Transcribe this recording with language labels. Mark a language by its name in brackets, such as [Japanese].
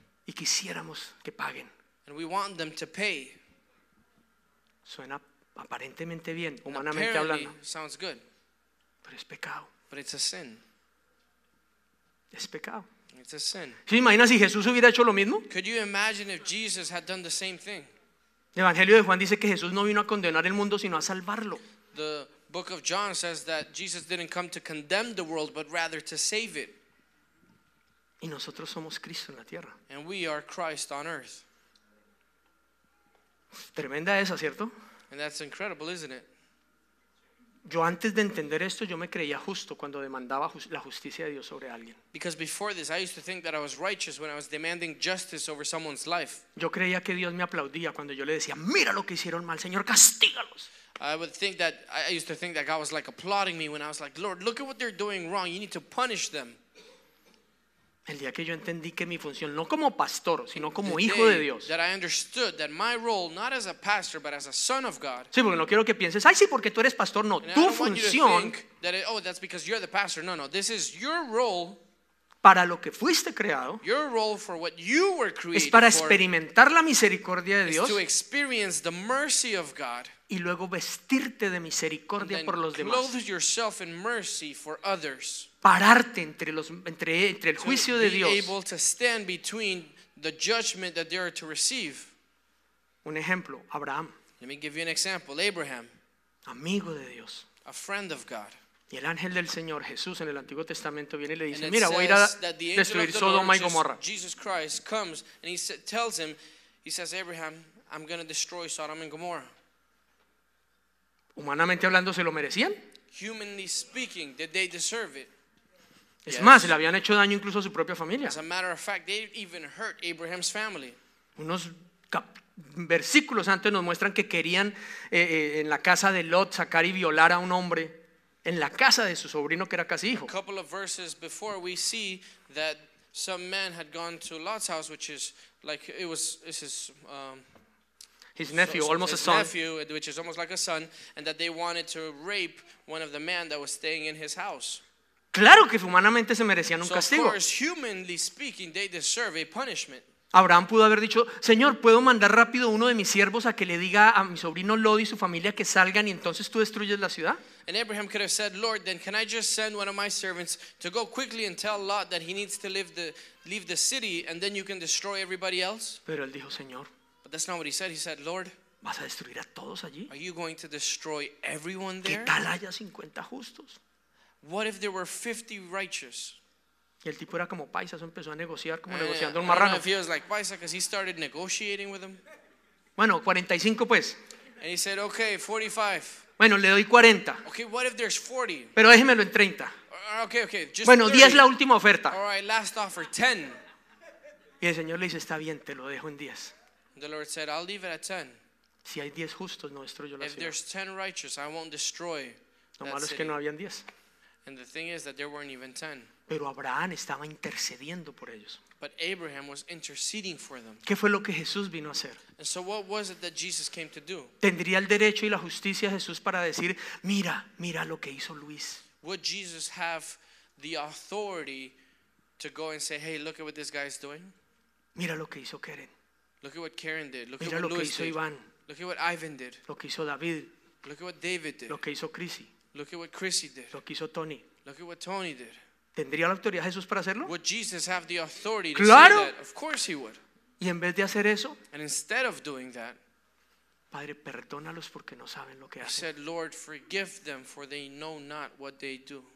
[Spanish] Y quisiéramos que paguen. [English] And we want them to pay. [Spanish] Suena aparentemente bien, humanamente hablando. [English] Sounds good. [Spanish] Pero es pecado. [English] But it's a sin. [Spanish] Es pecado. [English] It's a sin. [Spanish] ¿Se imagina si Jesús hubiera hecho lo mismo? [English] Could you imagine if Jesus had done the same thing? [Spanish] El Evangelio de Juan dice que Jesús no vino a condenar el mundo, sino a salvarlo. [English] The book of John says that Jesus didn't come to condemn the world, but rather to save it. [Spanish] Y nosotros somos Cristo en la tierra. [English] And we are Christ on earth. [Spanish] Tremenda esa, ¿cierto? [English] And that's incredible, isn't it? [Spanish] Yo antes de entender esto, yo me creía justo cuando demandaba la justicia de Dios sobre alguien. [English] Because before this, I used to think that I was righteous when I was demanding justice over someone's life. [Spanish] Yo creía que Dios me aplaudía cuando yo le decía, mira lo que hicieron mal, Señor, castígalos. [English] I used to think that God was like applauding me when I was like, Lord, look at what they're doing wrong. You need to punish them. [Spanish] El día que yo entendí que mi función no como pastor, sino como hijo de Dios. [English] That I understood that my role not as a pastor but as a son of God. [Spanish] Sí, porque no quiero que pienses, ay, sí, porque tú eres pastor, no. Tu función. [English] Oh, that's because you're the pastor. No, no. This is your role. [Spanish] Para lo que fuiste creado. [English] Your role for what you were created. [Spanish] Es para experimentar la misericordia de Dios. [English] To experience the mercy of God. [Spanish] Y luego vestirte de misericordia por los demás. [English] Clothe yourself in mercy for others. [Spanish] Pararte entre el juicio de Dios. [English] To be able to stand between the judgment that they are to receive. [Spanish] Un ejemplo, Abraham. [English] Let me give you an example, Abraham. [Spanish] Amigo de Dios. [English] A friend of God. [Spanish] Y el ángel del Señor Jesús en el Antiguo Testamento viene y le dice, mira, voy a ir a destruir Sodoma y Gomorra. [English] Jesus Christ comes and he says, Abraham, I'm going to destroy Sodom and Gomorrah. [Spanish] Humanamente hablando, ¿se lo merecían? [English] Humanly speaking, did they deserve it? [Spanish] Es yes. Más, le habían hecho daño incluso a su propia familia. [English] As a matter of fact, they even hurt Abraham's family. [Spanish] Unos versículos antes nos muestran que querían en la casa de Lot sacar y violar a un hombre. en la casa de su sobrino que era casi hijo. [English] A couple of verses before we see that some man had gone to Lot's house, which is like it was his nephew, which is almost like a son, and that they wanted to rape one of the men that was staying in his house. [Spanish] Claro que humanamente se merecían un castigo. [English] So of course, humanly speaking, they deserve a punishment. [Spanish] Abraham pudo haber dicho, Señor, ¿puedo mandar rápido uno de mis siervos a que le diga a mi sobrino Lot y su familia que salgan y entonces tú destruyes la ciudad? [English] And Abraham could have said, Lord, then can I just send one of my servants to go quickly and tell Lot that he needs to leave the city and then you can destroy everybody else? [Spanish] Pero él dijo, Señor. [English] But that's not what he said. He said, Lord, [Spanish] ¿vas a destruir a todos allí? [English] Are you going to destroy everyone there? [Spanish] ¿Qué tal haya 50 justos? [English] What if there were 50 righteous? [Spanish] Y el tipo era como paisa, eso empezó a negociar como negociando un marrano. [English] He was like paisa because he started negotiating with him. [Spanish] Bueno, 45 pues. [English] And he said, okay, 45. [Spanish] Bueno, le doy 40. [English] Okay, what if there's 40? [Spanish] Pero déjemelo en 30. [English] Okay, just [Spanish] bueno, 30. 10 es la última oferta. [English] All right, last offer, 10. [Spanish] Y el Señor le dice, está bien, te lo dejo en 10. [English] The Lord said, I'll leave it at 10. [Spanish] Si hay 10 justos, no destruyo la ciudad. [English] If there's 10 righteous, I won't destroy. [Spanish] Lo malo es que no habían 10. [English] And the thing is that there weren't even 10. [Spanish] Pero Abraham estaba intercediendo por ellos. [English] But Abraham was interceding for them. [Spanish] ¿Qué fue lo que Jesús vino a hacer? [English] And so what was it that Jesus came to do? [Spanish] ¿Tendría el derecho y la justicia Jesús para decir, mira, mira lo que hizo Luis? [English] Would Jesus have the authority to go and say, hey, look at what this guy is doing? [Spanish] Mira lo que hizo Karen. [English] Look at what Karen did. Look [Spanish] mira [English] at what [Spanish] lo [English] Luis [Spanish] que hizo [English] did. [Spanish] Iván. [English] Look at what Ivan did. [Spanish] Lo que hizo David. [English] Look at what David did. [Spanish] Lo que hizo Chrissy. [English] Look at what Chrissy did. [Spanish] Lo que hizo Tony. [English] Look at what Tony did. [Spanish] ¿Tendría la autoridad Jesús para hacerlo? [English] Would Jesus have the authority to [Spanish] ¡claro! [English] say that? Of course he would. [Spanish] Y en vez de hacer eso, [English] and instead of doing that, [Spanish] Padre, perdónalos porque no saben lo que hacen. [English] He said, Lord, forgive them for they know not what they do.